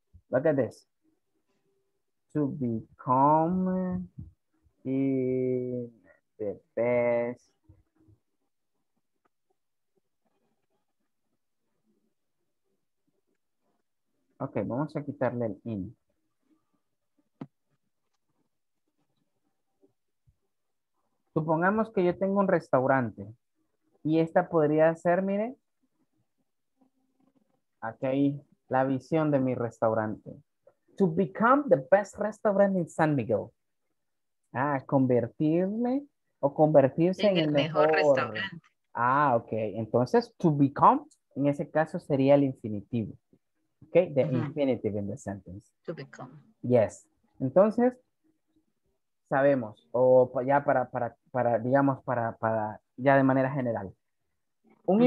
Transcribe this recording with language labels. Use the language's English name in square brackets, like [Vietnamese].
[English] Look at this. To become in the best okay, [Spanish] vamos a quitarle el in. Supongamos que yo tengo un restaurante y esta podría ser, mire, aquí hay la visión de mi restaurante. [English] To become the best restaurant in San Miguel. [Spanish] Ah, convertirme o convertirse en el mejor restaurante. Ah, ok. Entonces, [English] to become, [Spanish] en ese caso sería el infinitivo. [English] Ok, the uh-huh. infinitive in the sentence. To become. Yes. [Spanish] Entonces, sabemos, o ya para digamos, para ya de manera general. Un uh-huh.